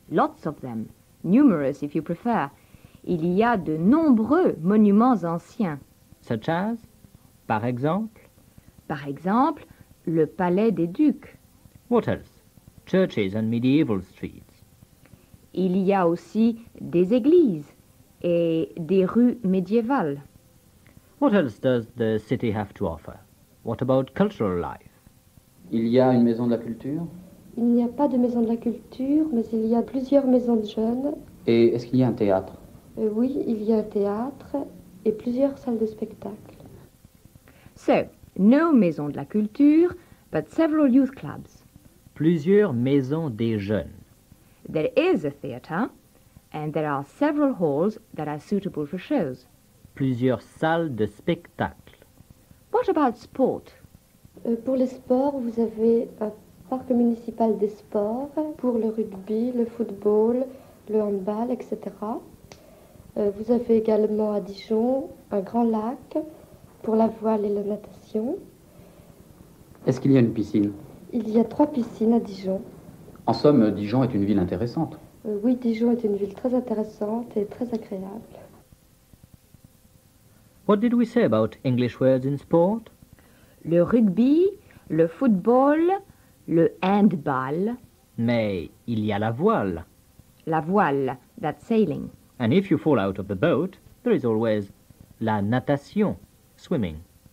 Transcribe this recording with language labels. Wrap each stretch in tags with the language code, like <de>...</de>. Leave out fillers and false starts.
<en>Lots of them. Numerous, if you prefer.</en> <fr>Il y a de nombreux monuments anciens.</fr> <en>Such as?</en> <fr>Par exemple? Par exemple, le palais des Ducs.</fr> <en>What else? Churches and medieval streets.</en> <fr>Il y a aussi des églises et des rues médiévales.</fr> <en>What else does the city have to offer? What about cultural life?</en> <fr>Il y a une maison de la culture? Il n'y a pas de maison de la culture, mais il y a plusieurs maisons de jeunes. Et est-ce qu'il y a un théâtre? Oui, il y a un théâtre et plusieurs salles de spectacle.</fr> <en>So, no</en> <fr>maison de la culture,</fr> <en>but several youth clubs.</en> <fr>plusieurs maisons des jeunes.</fr> <en>There is a theater, and there are several halls that are suitable for shows.</en> <fr>Plusieurs salles de spectacle.</fr> <en>What about sport?</en> <fr>Pour les sports, vous avez un parc municipal des sports, pour le rugby, le football, le handball, etc. Vous avez également à Dijon un grand lac pour la voile et la natation. Est-ce qu'il y a une piscine? Il y a 3 piscines à Dijon. En somme, Dijon est une ville intéressante. Oui, Dijon est une ville très intéressante et très agréable.</fr> <en>What did we say about English words in sport?</en> <fr>Le rugby, le football, le handball. Mais il y a la voile.</fr> <en>La voile, that's sailing. And if you fall out of the boat, there is always la natation, swimming.</en>